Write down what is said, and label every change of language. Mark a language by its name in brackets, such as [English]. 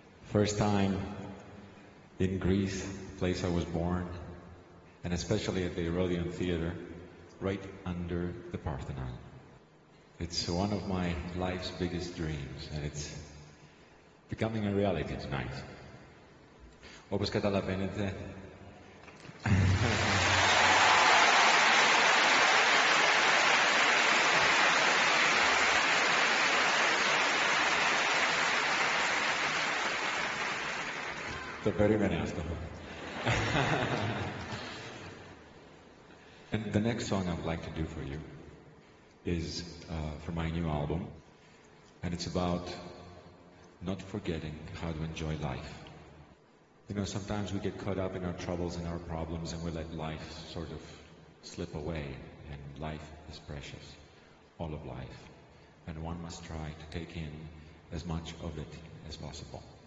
[English] First time in Greece, place I was born, and especially at the Odeon Theater, right under the Parthenon. It's one of my life's biggest dreams, and it's becoming a reality tonight. [Greek] Όπως καταλαβαίνετε, το περίμενε αυτό. [English] And the next song I would like to do for you is for my new album, and it's about not forgetting how to enjoy life. You know, sometimes we get caught up in our troubles and our problems, and we let life sort of slip away, and life is precious, all of life, and one must try to take in as much of it as possible.